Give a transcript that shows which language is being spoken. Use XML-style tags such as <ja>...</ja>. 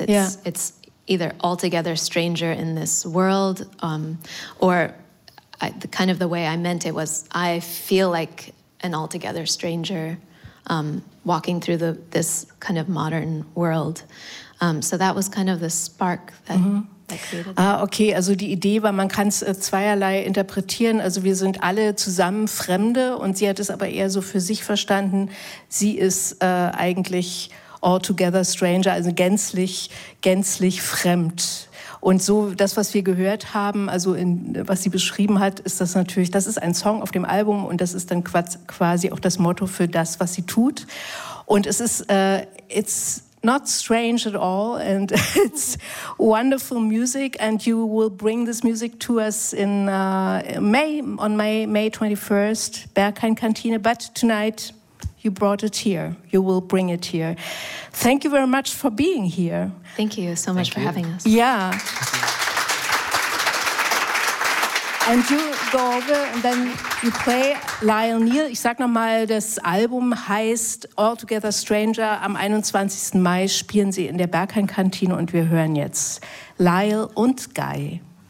<en>It's either altogether stranger in this world, the way I meant it was, I feel like an altogether stranger walking through this kind of modern world. So that was kind of the spark that... Mm-hmm.</en> <de>Ah, okay, also die Idee war, man kann es zweierlei interpretieren. Also wir sind alle zusammen Fremde und sie hat es aber eher so für sich verstanden. Sie ist eigentlich altogether stranger, also gänzlich, gänzlich fremd. Und so das, was wir gehört haben, also was sie beschrieben hat, ist das natürlich, das ist ein Song auf dem Album und das ist dann quasi auch das Motto für das, was sie tut. Und es ist,</de> <en>it's... not strange at all, and it's wonderful music, and you will bring this music to us in May 21st, Berghain Kantine, but tonight you brought it here. You will bring it here. Thank you very much for being here. Thank you so much for having us. Yeah. And you go over and then you play Lyle Neal.</en> <de>Ich sag nochmal, das Album heißt Altogether Stranger. Am 21. Mai spielen sie in der Berghain-Kantine und wir hören jetzt Lyle und Guy.</de>